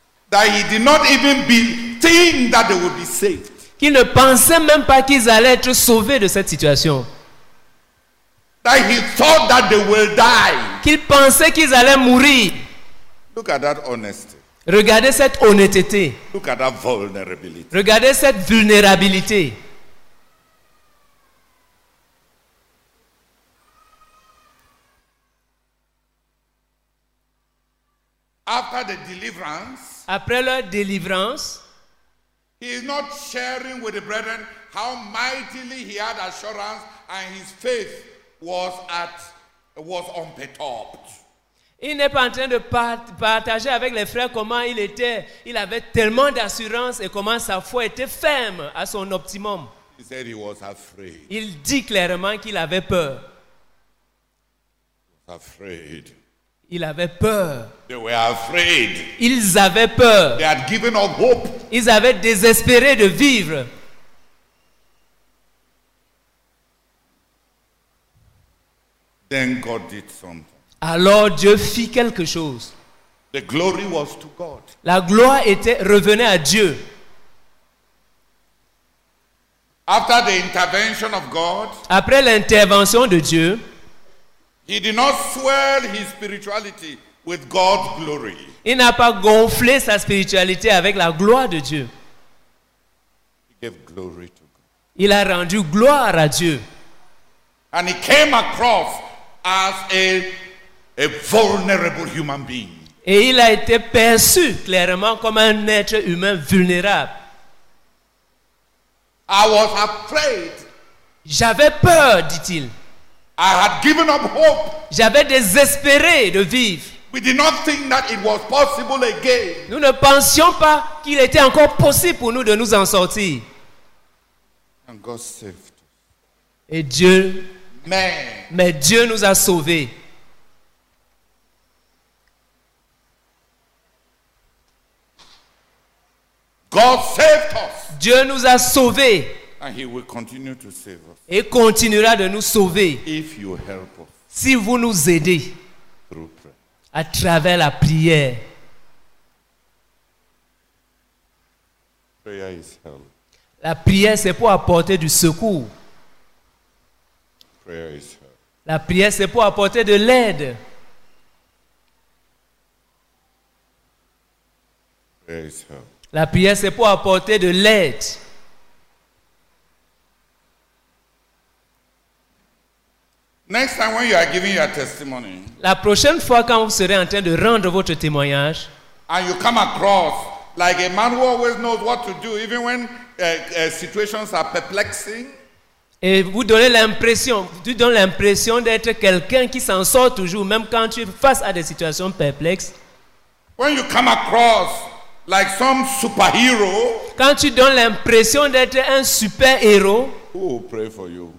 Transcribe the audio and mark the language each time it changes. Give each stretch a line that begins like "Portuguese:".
English: That he did not even think that they would be saved.
French: Qu'il ne pensait même pas qu'ils allaient être sauvés de cette situation.
English: That he thought that they will die.
French: Qu'il pensait qu'ils allaient mourir.
English: Look at that honesty.
French: Regardez cette honnêteté.
English: Look at that vulnerability.
French: Regardez cette vulnérabilité.
English: After the deliverance,
French: après leur délivrance,
English: he is not sharing with the brethren how mightily he had assurance and his faith was unperturbed.
French: Il n'est pas en train de partager avec les frères comment il était. Il avait tellement d'assurance et comment sa foi était ferme à son optimum.
English: He said he was afraid.
French: Il dit clairement qu'il avait peur.
English: Afraid.
French: Il avait peur.
English: They were afraid.
French: Ils avaient peur.
English: They had given up hope.
French: Ils avaient désespéré de vivre.
English: Then God did something.
French: Alors Dieu fit quelque chose.
English: The glory was to God.
French: La gloire revenait à Dieu.
English: After the intervention of God,
French: après l'intervention de Dieu,
English: he did not swell his spirituality with God's glory.
French: Il n'a pas gonflé sa spiritualité avec la gloire de Dieu.
English: He gave glory to God.
French: Il a rendu gloire à Dieu.
English: And he came across as a vulnerable human being.
French: Et il a été perçu clairement comme un être humain vulnérable.
English: I was afraid.
French: J'avais peur, dit-il.
English: I had given up hope.
French: J'avais désespéré de vivre.
English: We did not think that it was possible again.
French: Nous ne pensions pas qu'il était encore possible pour nous de nous en sortir.
English: And God saved.
French: Et Dieu. Mais Dieu nous a sauvés.
English: God saved us.
French: Dieu nous a sauvés.
English: And he will continue to save us.
French: Et continuera de nous sauver.
English: If you help us.
French: Si vous nous aidez.
English: Through prayer.
French: À travers la prière.
English: Prayer is help.
French: La prière, c'est pour apporter du secours.
English: Prayer is help.
French: La prière, c'est pour apporter de l'aide.
English: Prayer is help.
French: La prière, c'est pour apporter de l'aide.
English: Next time when you are giving your testimony,
French: la prochaine fois quand vous serez en train de rendre votre témoignage,
English: and you come across like a man who always knows what to do, even when situations are perplexing,
French: et vous donnez l'impression d'être quelqu'un qui s'en sort toujours, même quand tu es face à des situations perplexes.
English: When you come across like some superhero,
French: quand tu donnes l'impression d'être un super héros,
English: who will pray for you?